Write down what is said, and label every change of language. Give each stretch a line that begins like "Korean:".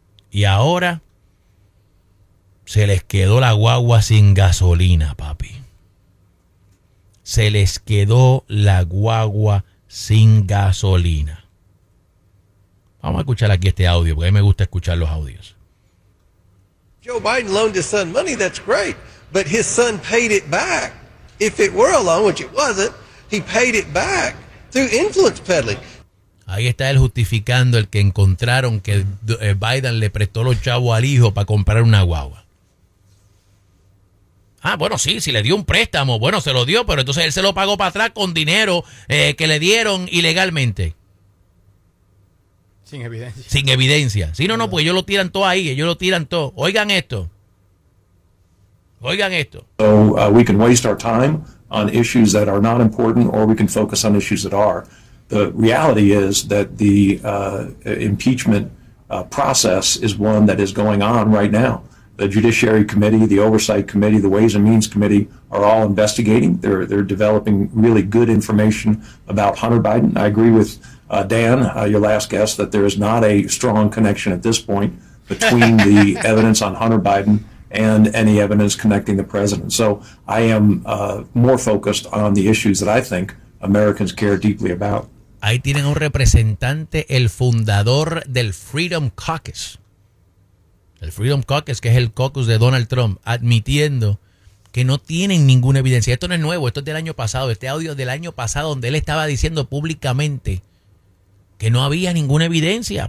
Spanish: Y ahora se les quedó la guagua sin gasolina, papi. Se les quedó la guagua sin gasolina. Vamos a escuchar aquí este audio, porque a mí me gusta escuchar los audios.
English: Joe Biden loaned his son money, that's great. But his son paid it back. If it were a loan, which it wasn't, he paid it back through influence peddling.
Spanish: Ahí está él justificando el que encontraron que Biden le prestó los chavos al hijo para comprar una guagua. Ah, bueno, sí, si le dio un préstamo, bueno, se lo dio, pero entonces él se lo pagó para atrás con dinero que le dieron ilegalmente. Sin evidencia. Sin evidencia. Si no, no, pues ellos lo tiran todo ahí, ellos lo tiran todo. Oigan esto. Oigan esto.
English: So we can waste our time on issues that are not important, or we can focus on issues that are. The reality is that the impeachment process is one that is going on right now. The Judiciary Committee, the Oversight Committee, the Ways and Means Committee are all investigating. They're developing really good information about Hunter Biden. I agree with Dan, your last guest, that there is not a strong connection at this point between the evidence on Hunter Biden and any evidence connecting the president. So I am more focused on the issues that I think Americans care deeply about.
Spanish: Ahí tienen un representante, el fundador del Freedom Caucus. El Freedom Caucus, que es el caucus de Donald Trump, admitiendo que no tienen ninguna evidencia. Esto no es nuevo, esto es del año pasado. Este audio es del año pasado, donde él estaba diciendo públicamente que no había ninguna evidencia.